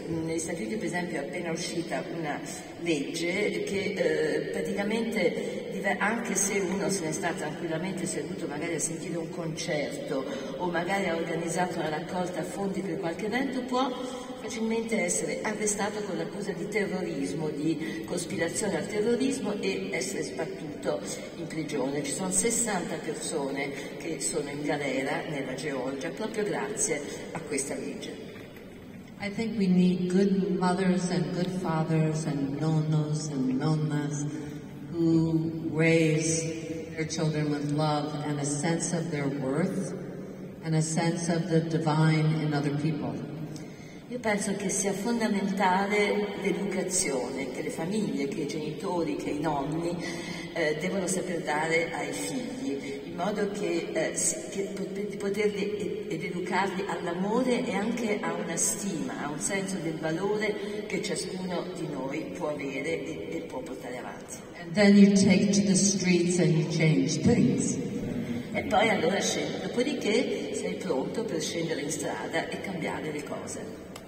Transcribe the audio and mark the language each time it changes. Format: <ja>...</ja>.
<it>Negli Stati Uniti, per esempio, è appena uscita una legge che praticamente, anche se uno se ne sta tranquillamente seduto magari a sentire un concerto o magari ha organizzato una raccolta fondi per qualche evento, può facilmente essere arrestato con l'accusa di terrorismo, di cospirazione al terrorismo e essere sbattuto in prigione. Ci sono 60 persone che sono in galera nella Georgia proprio grazie a questa legge.</it> <en>I think we need good mothers and good fathers and nonnos and nonnas who raise their children with love and a sense of their worth and a sense of the divine in other people.</en> <it>Io penso che sia fondamentale l'educazione che le famiglie, che i genitori, che i nonni devono saper dare ai figli, in modo che poterli ed educarli all'amore e anche a una stima, a un senso del valore che ciascuno di noi può avere e può portare avanti.</it> <en>And then you take to the streets and you change things.</en> <it>E poi allora scendi, dopodiché sei pronto per scendere in strada e cambiare le cose.</it>